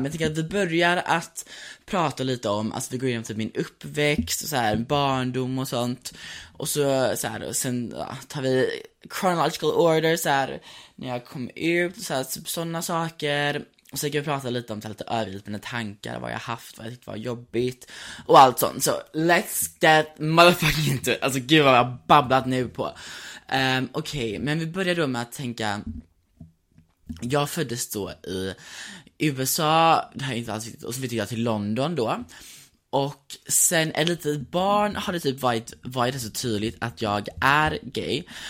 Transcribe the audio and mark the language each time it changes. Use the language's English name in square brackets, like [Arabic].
[Swedish] Men jag tänker att vi börjar att prata lite om, alltså vi går igenom typ min uppväxt och så här barndom och sånt. Och så såhär, sen ja, tar vi [English] chronological order [Swedish] så här när jag kom ut och såhär, typ sådana saker. Och så kan vi prata lite om så här, lite övergripande tankar, vad jag haft, vad jag tyckte var jobbigt och allt sånt. [English] Så let's get motherfucking into it. [Swedish] Alltså gud vad jag babblat nu på. Okej, men vi börjar då med att tänka, jag föddes då i USA, det här är inte alls viktigt, och så flyttade jag till London då. Och sen ett litet barn har det typ varit så tydligt att jag är gay.